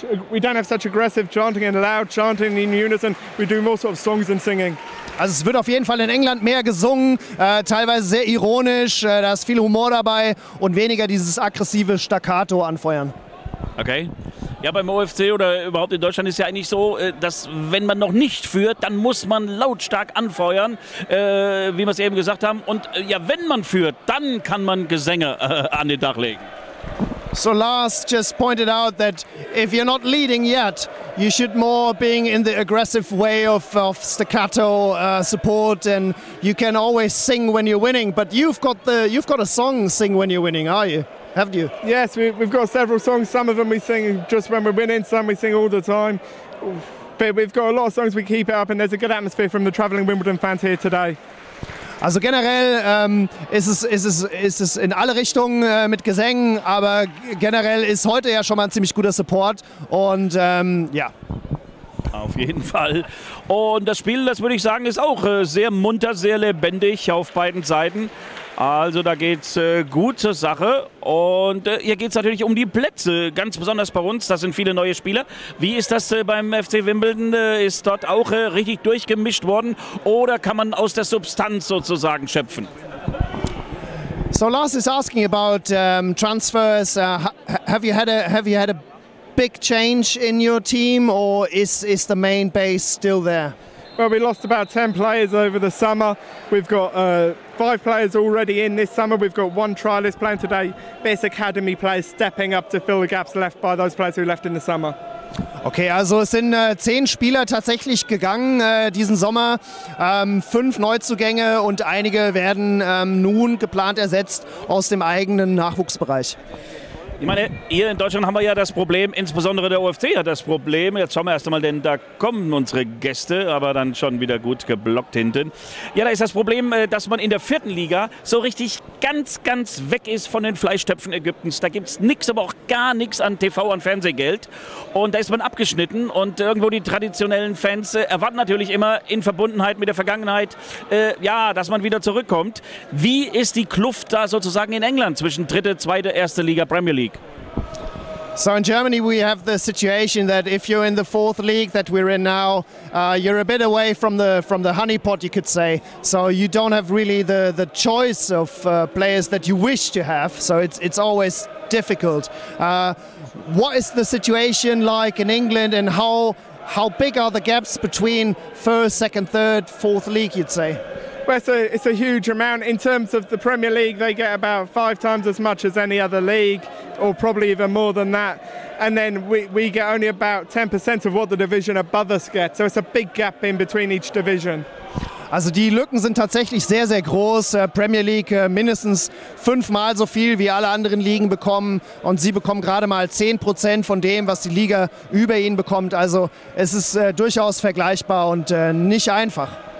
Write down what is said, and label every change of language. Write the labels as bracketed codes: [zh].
[en] We don't have such aggressive chanting and loud chanting in unison. We do more sort of songs and singing. [de] Also es wird auf jeden Fall in England mehr gesungen, teilweise sehr ironisch, da ist viel Humor dabei und weniger dieses aggressive Staccato anfeuern. Okay. Ja, beim OFC oder überhaupt in Deutschland ist ja eigentlich so, dass wenn man noch nicht führt, dann muss man lautstark anfeuern, wie wir es eben gesagt haben. Und ja, wenn man führt, dann kann man Gesänge an den Tag legen. [en] So Lars just pointed out that if you're not leading yet, you should more being in the aggressive way of staccato support, and you can always sing when you're winning. But you've got a song sing when you're winning, are you? Haven't you? Yes, we've got several songs. Some of them we sing just when we're winning. Some we sing all the time. But we've got a lot of songs. We keep it up, and there's a good atmosphere from the travelling Wimbledon fans here today. [de] Also generell ist es in alle Richtungen mit Gesängen, aber generell ist heute ja schon mal ein ziemlich guter Support und ja. Auf jeden Fall. Und das Spiel, das würde ich sagen, ist auch sehr munter, sehr lebendig auf beiden Seiten. Also da geht es gut zur Sache und hier geht es natürlich um die Plätze, ganz besonders bei uns, das sind viele neue Spieler. Wie ist das beim FC Wimbledon, ist dort auch richtig durchgemischt worden oder kann man aus der Substanz sozusagen schöpfen? [en] So Lars is asking about transfers, have you had a big change in your team or is the main base still there? Well, we lost about 10 players over the summer. We've got 5 players already in this summer. We've got 1 trialist playing today. Best Academy players stepping up to fill the gaps left by those players who left in the summer. [de] Okay, also es sind 10 Spieler tatsächlich gegangen diesen Sommer. 5 Neuzugänge und einige werden nun geplant ersetzt aus dem eigenen Nachwuchsbereich. Ich meine, hier in Deutschland haben wir ja das Problem, insbesondere der OFC hat das Problem. Jetzt schauen wir erst einmal, denn da kommen unsere Gäste, aber dann schon wieder gut geblockt hinten. Ja, da ist das Problem, dass man in der vierten Liga so richtig ganz, ganz weg ist von den Fleischtöpfen Ägyptens. Da gibt es nichts, aber auch gar nichts an TV und Fernsehgeld. Und da ist man abgeschnitten und irgendwo die traditionellen Fans erwarten natürlich immer in Verbundenheit mit der Vergangenheit, ja, dass man wieder zurückkommt. Wie ist die Kluft da sozusagen in England zwischen dritte, zweite, erste Liga, Premier League? [en] So in Germany we have the situation that if you're in the fourth league that we're in now, you're a bit away from the honeypot, you could say. So you don't have really the choice of players that you wish to have. So it's always difficult. What is the situation like in England and how big are the gaps between first, second, third, fourth league, you'd say? Well, it's a huge amount. In terms of the Premier League, they get about 5 times as much as any other league, or probably even more than that. And then we get only about 10% of what the division above us gets. So it's a big gap in between each division. [de] Also die Lücken sind tatsächlich sehr, sehr groß. Premier League mindestens 5-mal so viel wie alle anderen Ligen bekommen. Und sie bekommen gerade mal 10% von dem, was die Liga über ihnen bekommt. Also es ist durchaus vergleichbar und nicht einfach.